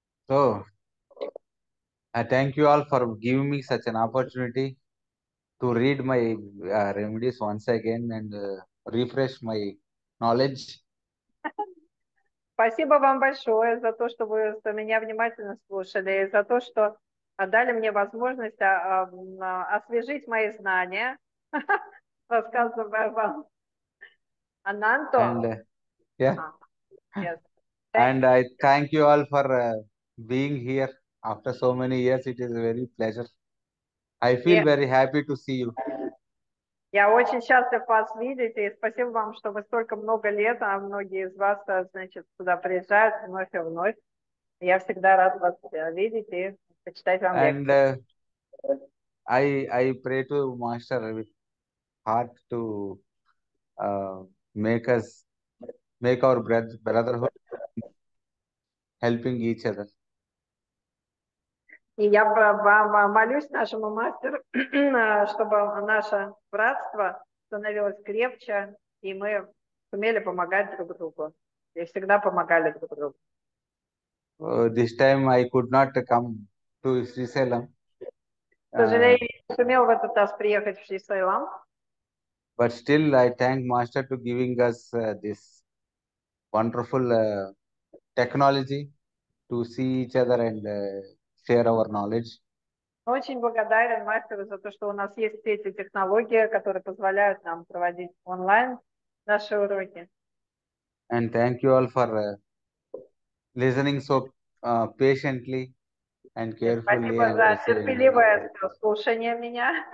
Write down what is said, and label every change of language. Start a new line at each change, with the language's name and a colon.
English: So, I thank you all for giving me such an opportunity to read my remedies once again and refresh my knowledge.
Russian: Спасибо вам большое за то, что вы меня внимательно слушали, и за то, что дали мне возможность освежить мои знания, рассказывая вам. Ананто.
English: And I thank you all for being here after so many years. It is a very pleasure. I feel very happy to see you.
Russian: Я очень счастлив вас видеть, и спасибо вам, что вы столько много лет, а многие из вас, значит, сюда приезжают вновь и вновь. Я всегда рад вас видеть и
English: And I pray to Master with heart to make us make our brotherhood helping each other.
Russian: И я вам молюсь нашему мастеру, чтобы наше братство становилось крепче, и мы сумели помогать друг другу. И всегда помогали друг другу.
English: This time I could not come to Sri Salem.
Russian: К сожалению, не сумел в этот раз приехать в Шри-Сайлам.
English: But still I thank Master to giving us this wonderful technology to see each other and share our knowledge.
Russian: Очень благодарен мастеру за то, что у нас есть все эти технологии, которые позволяют нам проводить онлайн наши уроки.
English: And thank you all for listening so patiently and carefully.
Russian: Спасибо за терпеливое слушание меня.